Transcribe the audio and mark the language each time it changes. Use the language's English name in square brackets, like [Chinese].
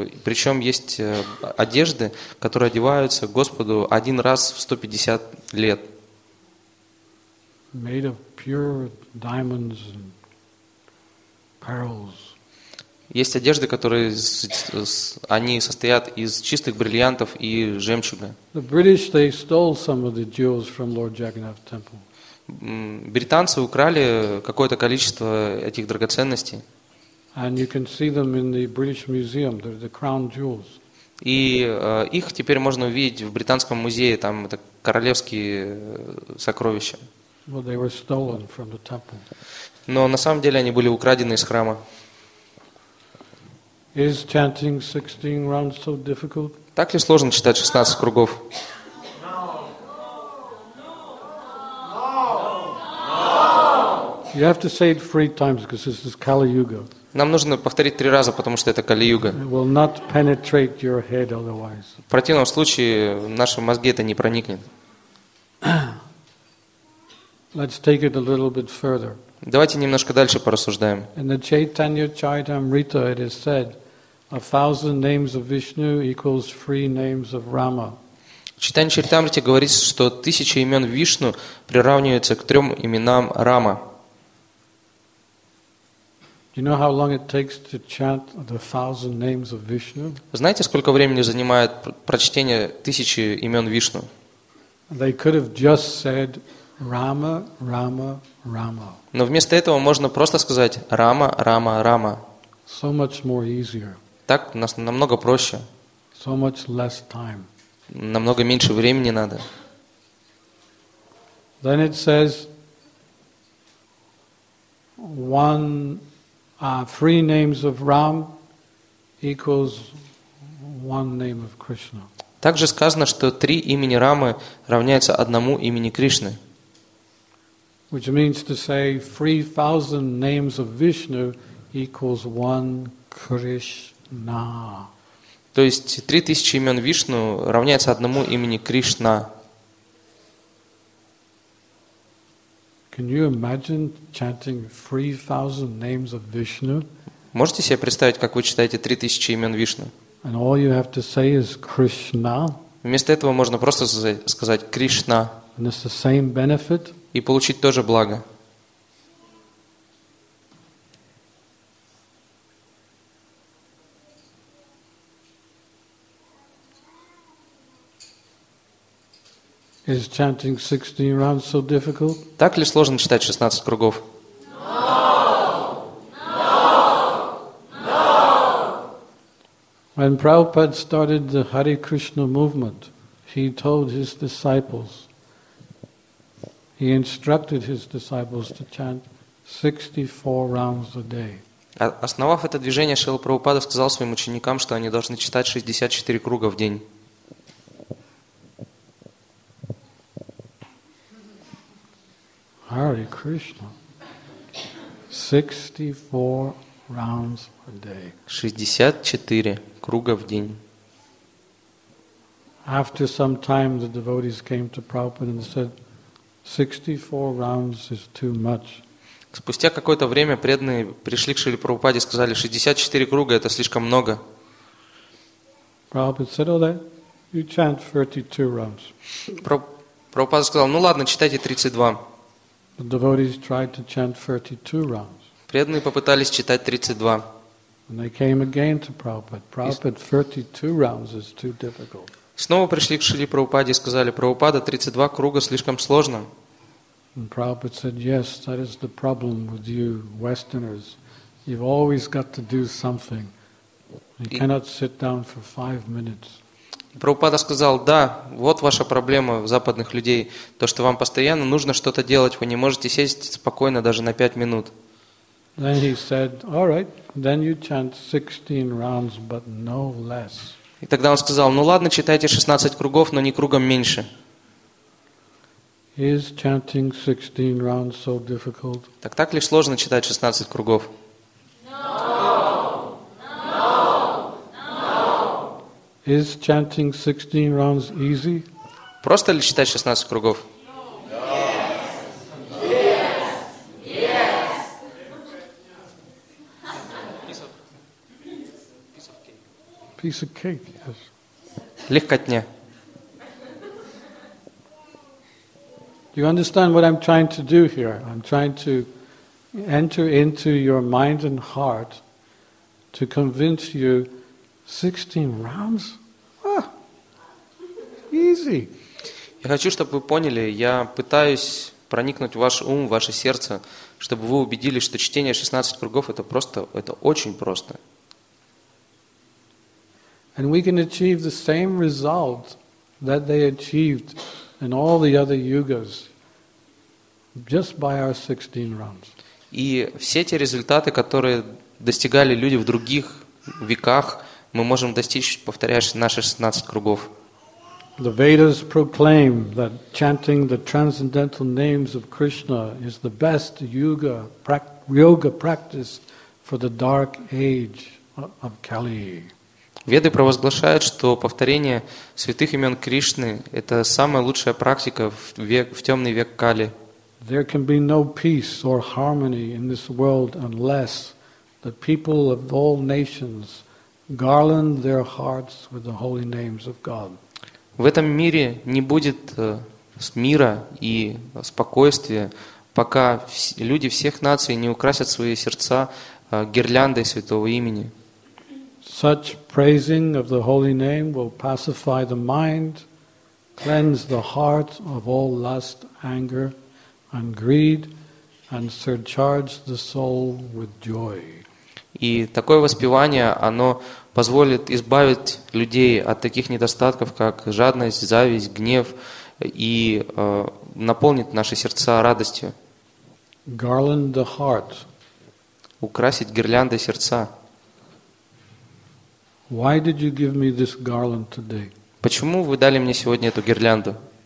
[Russian] Причем есть одежды, которые одеваются Господу один раз в 150 лет. [English] Made of pure diamonds and pearls. [Russian] Есть одежды, которые они состоят из чистых бриллиантов и жемчуга. [English] The British, they stole some of the jewels from Lord Jagannath Temple. [Russian] Британцы украли какое-то количество этих драгоценностей. И их теперь можно увидеть в Британском музее, там это королевские сокровища. [English] Well, they were stolen from the temple. [Russian] Но на самом деле они были украдены из храма. [English] Is chanting 16 rounds so difficult? [Russian] Так ли сложно читать 16 кругов? [English] You have to say it 3 times because this is Kali Yuga. [Russian] Нам нужно повторить 3 раза, потому что это Кали-Юга. [English] It will not penetrate your head otherwise. [Russian] В противном случае в наши мозги это не проникнет. [English] Let's take it a little bit further. [Russian] Давайте немножко дальше порассуждаем. [English] In the Chaitanya Charitamrita it is said, 1,000 names of Vishnu equals 3 names of Rama. [Russian] Чайтанья Чаритамрита говорит, что 1000 имен Вишну приравниваются к 3 именам Рама. [English] Do you know how long it takes to chant the 1,000 names of Vishnu? [Russian] Знаете, сколько времени занимает прочтение 1000 имен Вишну? [English] They could have just said Rama, Rama, Rama. [Russian] Но вместо этого можно просто сказать Рама, Рама, Рама. [English] So much more easier. [Russian] Так намного проще. [English] So much less time. [Russian] Намного меньше времени надо. [English] Then it says three names of Ram equals one name of Krishna. [Russian] Также сказано, что 3 имени Рамы равняется 1 имени Кришны. [English] Which means to say 3,000 names of Vishnu equals one Krishna. [Russian] То есть 3000 имен Вишну равняется 1 имени Кришна. [English] Can you imagine chanting 3,000 names of Vishnu? [Russian] Можете себе представить, как вы читаете 3000 имен Вишну? [English] And all you have to say is Krishna. [Russian] Вместо этого можно просто сказать Кришна. [English] And it's the same benefit. [Russian] И получить тоже благо. [English] Is chanting 16 rounds so difficult? [Russian] Так ли сложно читать 16 кругов? [English] No! No! No! When Prabhupada started the Hare Krishna movement, he told his disciples, he instructed his disciples to chant 64 rounds a day. [Russian] Основав это движение, Шрила Прабхупада сказал своим ученикам, что они должны читать 64 круга в день. [English] Hare Krishna. 64 rounds a day. [Russian] 64 круга в день. [English] After some time the devotees came to Prabhupada and said 64 rounds is too much. [Russian] Спустя какое-то время преданные пришли к Шриле Прабхупаде и сказали 64 круга это слишком много. [English] Prabhupada said, "Oh, you chant 32 rounds." [Russian] Прабхупада сказал: "Ну ладно, читайте 32." [English] The devotees tried to chant 32 rounds. [Russian] Преданные попытались читать 32. [English] And they came again to Prabhupada. Prabhupada, 32 rounds is too difficult. [Russian] Снова пришли к Шриле Прабхупаде и сказали: "Прабхупада, 32 круга слишком сложно." [English] And Prabhupada said, "Yes, that is the problem with you Westerners. You've always got to do something. You cannot sit down for 5 minutes." [Russian] Прабхупада сказал: "Да, вот ваша проблема западных людей, то, что вам постоянно нужно что-то делать, вы не можете сесть спокойно даже на 5 минут." [English] Then he said, "All right, then you chant 16 rounds, but no less." [Russian] И тогда он сказал: "Ну ладно, читайте 16 кругов, но не кругом меньше." [English] Is chanting 16 rounds so difficult? [Russian] Так ли сложно читать 16 кругов? [English] Is chanting 16 rounds easy? [Russian] Просто ли читать 16 кругов? [English] Yes. Yes. Yes. Piece of cake. Piece of cake. Yes. [Russian] Легкотня. [English] Do you understand what I'm trying to do here? I'm trying to enter into your mind and heart to convince you 16 rounds. Easy. [Russian] Я хочу, чтобы вы поняли, я пытаюсь проникнуть в ваш ум, в ваше сердце, чтобы вы убедились, что чтение 16 кругов это просто, это очень просто. [English] And we can achieve the same result that they achieved in all the other yugas just by our 16 rounds. [Russian] И все те результаты, которые достигали люди в других веках мы можем достичь, повторяешь, наши 16 кругов. [English] The Vedas proclaim that chanting the transcendental names of Krishna is the best yoga practice for the dark age of Kali. [Russian] Веды провозглашают, что повторение святых имен Кришны – это самая лучшая практика в темный век Кали. [English] There can be no peace or harmony in this world unless the people of all nations garland their hearts with the holy names of God. [Russian] В этом мире не будет мира и спокойствия, пока люди всех наций не украсят свои сердца гирляндой святого имени. [English] Such praising of the holy name will pacify the mind, cleanse the heart of all lust, anger, and greed, and surcharge the soul with joy. [Russian] И такое воспевание, оно позволит избавить людей от таких недостатков, как жадность, зависть, гнев, и наполнит наши сердца радостью. [English] Garland the heart. [Russian] Украсить гирляндой сердца. [English] Why did you give me this garland today? [Russian] Почему вы дали мне сегодня эту гирлянду?